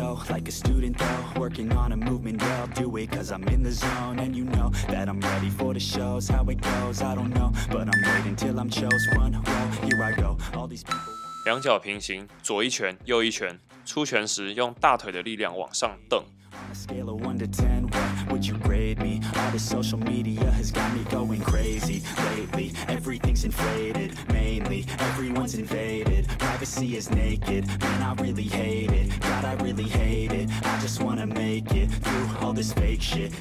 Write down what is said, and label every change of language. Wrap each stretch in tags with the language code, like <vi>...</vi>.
<en>Like a student though, working on a movement, yeah, do it cause I'm in the zone. And you know that I'm ready for the shows. How it goes, I don't know, but I'm waiting till I'm chose. Run, roll, here I go. All these people.</en> <zh>两脚平行，左一拳，右一拳。出拳时用大腿的力量往上蹬。</zh> <en>On a scale of 1 to 10, what would you grade me? All the social media has got me going crazy lately. Everything's inflated, mainly everyone's invaded. Privacy is naked, man, I really hate it. God, I really hate it. I just wanna make it through all this fake shit.</en>